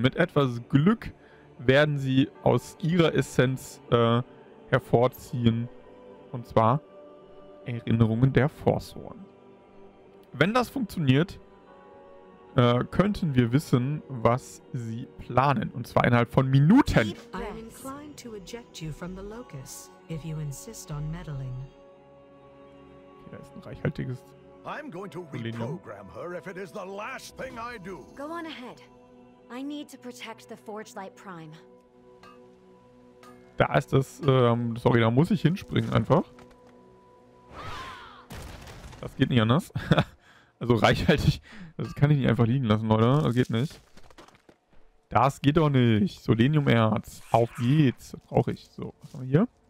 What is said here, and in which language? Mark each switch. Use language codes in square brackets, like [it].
[de] Mit etwas Glück werden sie aus ihrer Essenz hervorziehen. Und zwar Erinnerungen der Forsworn. Wenn das funktioniert, könnten wir wissen, was sie planen. Und zwar innerhalb von Minuten. [en] I'm inclined to eject you from the locus, if you insist on meddling. [de] Okay, da ist ein reichhaltiges... [en] I'm going to reprogram her if it is the last thing I do. Go on ahead. I need to protect the Forge Light Prime. [de] Da ist das, sorry, da muss ich hinspringen einfach. Das geht nicht anders. Also reichhaltig, das kann ich nicht einfach liegen lassen, Leute. Das geht nicht. Das geht doch nicht. Selenium-Erz, auf geht's. Das brauche ich. So, was haben wir hier?